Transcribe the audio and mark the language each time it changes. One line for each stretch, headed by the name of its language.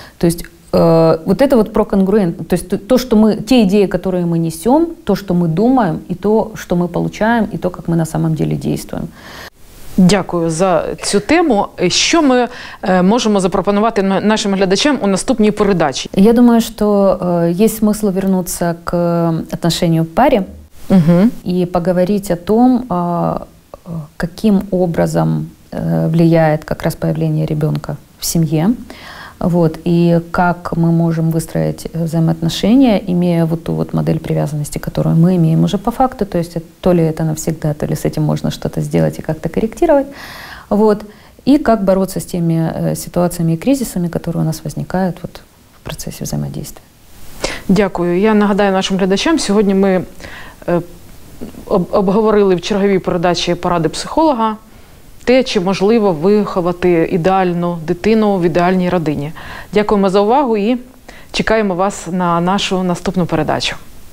Russian: То есть вот это вот про конгруент, то есть то, что мы, те идеи, которые мы несем, то, что мы думаем, и то, что мы получаем, и то, как мы на самом деле действуем.
Ukrainian: Дякую за цю тему. Що ми можемо запропонувати нашим глядачам у наступній передачі? Я думаю, що є смисл вернутися
Russian: к отношению
Ukrainian: в парі. Угу.
Russian: И поговорить о том, каким образом влияет как раз появление ребенка в семье, вот, и как мы можем выстроить взаимоотношения, имея вот ту вот модель привязанности, которую мы имеем уже по факту, то есть то ли это навсегда, то ли с этим можно что-то сделать и как-то корректировать, вот, и как бороться с теми ситуациями и кризисами, которые у нас возникают вот в процессе взаимодействия.
Ukrainian: Дякую. Я нагадаю нашим глядачам, сьогодні ми обговорили в черговій передачі поради психолога те, чи можливо виховати ідеальну дитину в ідеальній родині. Дякуємо за увагу і чекаємо вас на нашу наступну передачу.